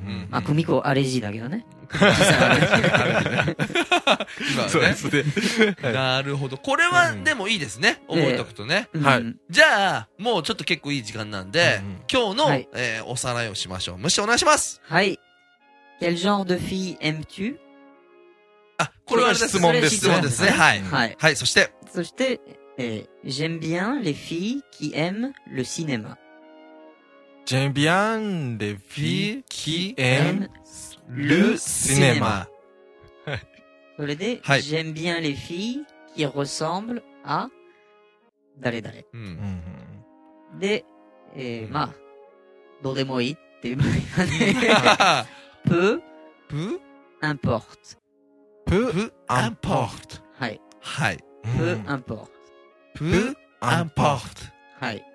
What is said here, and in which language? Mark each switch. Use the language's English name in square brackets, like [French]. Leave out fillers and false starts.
[Japanese] まあ組子アレジーだけどね。そうですね。なるほど。これはでもいいですね。うん、覚えとくとね、はい。じゃあ、もうちょっと結構いい時間なんで、うん、今日の、はい、おさらいをしましょう。虫お願いします。はい。 [French] Quel genre de fille aimes-tu? [Japanese] あ、これは質問です。質問ですね。はい。はい。はい、そして。そして、 [French] j'aime bien les filles qui aiment le cinéma. J'aime bien les filles qui aiment le cinéma. [Japanese] それで、はい、 [French] j'aime bien les filles qui ressemblent à [Japanese] 誰誰。で、まあ、どうでもいいっていう場合はね。 [French] peu importe. Peu importe. [Japanese] はい。はい。 [French] Peu importe. Peu importe. [Japanese] はい。